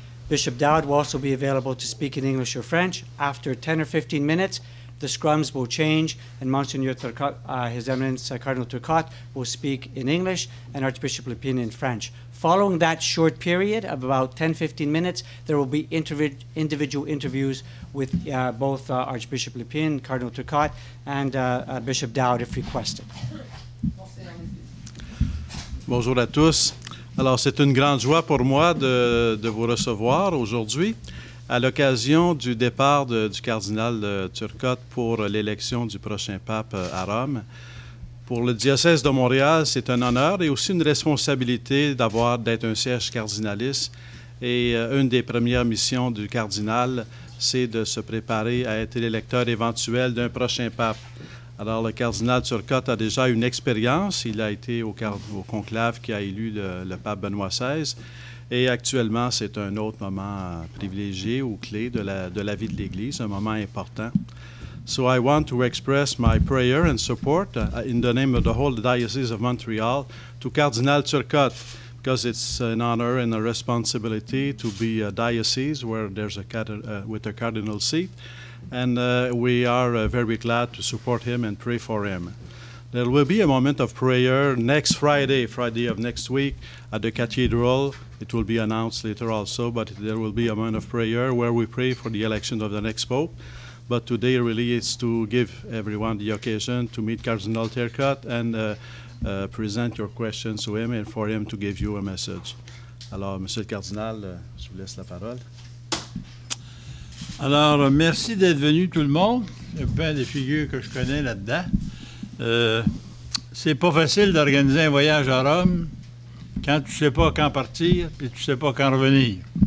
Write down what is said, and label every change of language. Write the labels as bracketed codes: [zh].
[en] Bishop Dowd will also be available to speak in English or French. After 10 or 15 minutes, the scrums will change, and Monseigneur Turcotte, His Eminence Cardinal Turcotte, will speak in English, and Archbishop Lépine in French. Following that short period of about 10, 15 minutes, there will be individual interviews with both Archbishop Lépine, Cardinal Turcotte, and Bishop Dowd, if requested. [fr] Bonjour à tous. Alors, c'est une grande joie pour moi de vous recevoir aujourd'hui à l'occasion du départ du cardinal Turcotte pour l'élection du prochain pape à Rome. Pour le diocèse de Montréal, c'est un honneur et aussi une responsabilité d'être un siège cardinaliste. Et une des premières missions du cardinal, c'est de se préparer à être l'électeur éventuel d'un prochain pape. Alors, le cardinal Turcotte a déjà une expérience. Il a été au conclave qui a élu le pape Benoît XVI. Et actuellement, c'est un autre moment privilégié ou clé de la vie de l'Église, un moment important. [en] So I want to express my prayer and support in the name of the whole Diocese of Montreal to Cardinal Turcotte, because it's an honor and a responsibility to be a diocese where there's with a cardinal seat. And we are very glad to support him and pray for him. There will be a moment of prayer next Friday of next week, at the cathedral. It will be announced later also, but there will be a moment of prayer where we pray for the election of the next pope. But today really is to give everyone the occasion to meet Cardinal Turcotte and present your questions to him and for him to give you a message. [fr] Alors, Monsieur le Cardinal, je vous laisse la parole. Alors, merci d'être venu, tout le monde. Il y a plein de figures que je connais là-dedans. C'est pas facile d'organiser un voyage à Rome quand tu sais pas quand partir et tu sais pas quand revenir.